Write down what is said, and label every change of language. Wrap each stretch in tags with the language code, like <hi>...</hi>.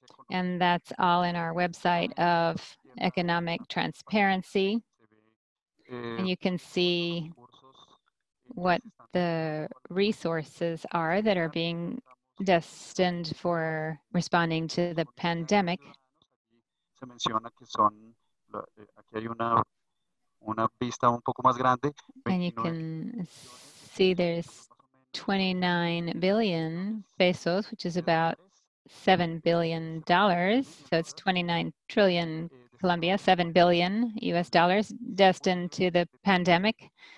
<en>And that's all in our website of economic transparency. And you can see what the resources are that are being destined for responding to the pandemic.</en> <es>Se menciona que son, aquí hay una pista un poco más grande.</es> <en>And you can see there's 29 billion pesos, which is about $7 billion. So it's 29 trillion Colombia, $7 billion US dollars destined to the pandemic.</en>